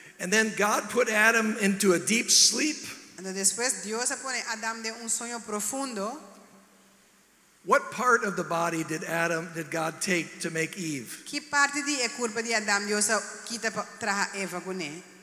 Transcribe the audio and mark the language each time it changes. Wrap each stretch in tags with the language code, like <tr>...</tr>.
<en>And then God put Adam into a deep sleep.</en> <es>Y después Dios pone a Adam de un sueño profundo.</es> <en>What part of the body did Adam did God take to make Eve?</en> <es>¿Qué parte del cuerpo de Adam Dios quita para Eva con él?</es>